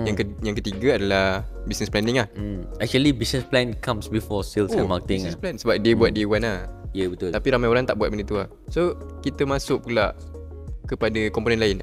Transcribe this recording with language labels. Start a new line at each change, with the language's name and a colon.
Malay: Yang ketiga adalah business planning lah.
English: Actually, business plan comes before sales and marketing.
Malay: Business plan, sebab dia buat
English: day one
Malay: lah. Ya, yeah, betul. Tapi ramai orang tak buat benda tu lah. So kita masuk pula kepada komponen lain.